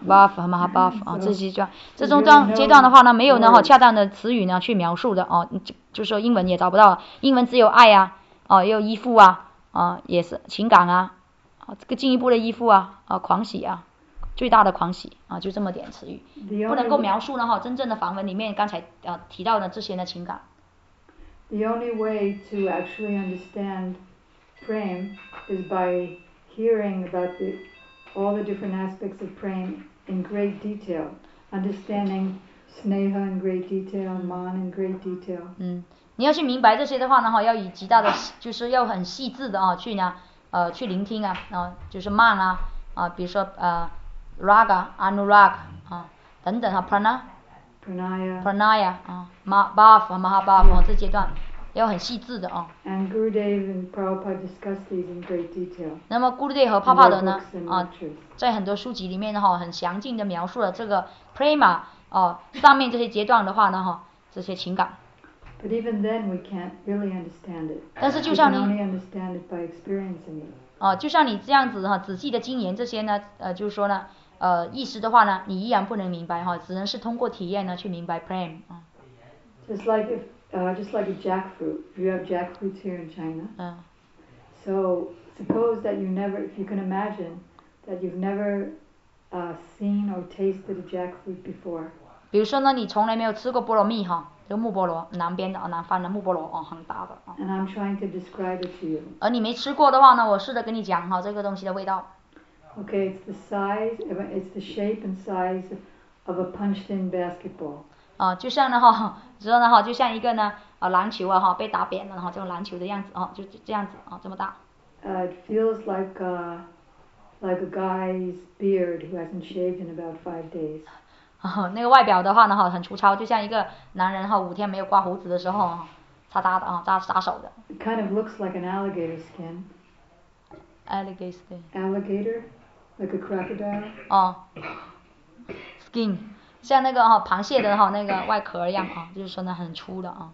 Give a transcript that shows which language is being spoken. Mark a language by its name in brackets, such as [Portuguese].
[Chinese] Bhav 和 mahabhav 啊，这几段，这中段阶段的话呢，没有呢哈恰当的词语呢去描述的哦，就说英文也找不到，英文只有爱啊，哦，又依附啊，啊，也是情感啊。这个进一步的依附啊，狂喜啊，最大的狂喜啊，就这么点词语，不能够描述呢哈，真正的梵文里面刚才提到的这些的情感。 [English] The only way to actually understand prem is by hearing about all the different aspects of prem in great detail, understanding sneha in great detail, man in great detail. [Chinese] 嗯，你要去明白这些的话呢哈，要以极大的，就是要很细致的啊去呢。去聆听啊，就是慢啊，比如说raga, anurag, 等等啊 pranaya, bhav, mahabhav, 这阶段要很细致的啊。 [English] And Gurudev and Prabhupada discuss these in great detail. [Chinese] 那么 Gurudev 和 Prabhupada 呢，在很多书籍里面呢，很详尽的描述了这个 prema, 上面这些阶段的话呢，这些情感。 [English] But even then, we can't really understand it. [Chinese] 但是就像你 [English] we can only understand it by experiencing it. [Chinese] 就像你这样子哈，仔细的经验这些呢，就是说呢，意识的话呢，你依然不能明白哈，只能是通过体验呢去明白 prem. [English] Just like a jackfruit. If you have jackfruits here in China. So suppose that you never, if you can imagine that you've never seen or tasted a jackfruit before. [Chinese] 比如说呢，你从来没有吃过菠萝蜜哈。这个木菠萝，南边的南方的木菠萝很大的。 [English] And I'm trying to describe it to you. [Chinese] 而你没吃过的话呢，我试着跟你讲哈这个东西的味道。 [English] Okay, it's the size, it's the shape and size of a punched-in basketball. [Chinese] 就像呢哈，知道呢哈，就像一个呢篮球啊哈被打扁了哈，这种篮球的样子哦，就这样子这么大。 [English] It feels like a guy's beard who hasn't shaved in about 5 days. [Chinese] 那个外表的话呢，很粗糙，就像一个男人哈，五天没有刮胡子的时候，擦擦的扎手的。 [English] It kind of looks like an alligator skin. Alligator. Alligator, like a crocodile. Skin, [Chinese] 像那个螃蟹的那个外壳一样就是说呢，很粗的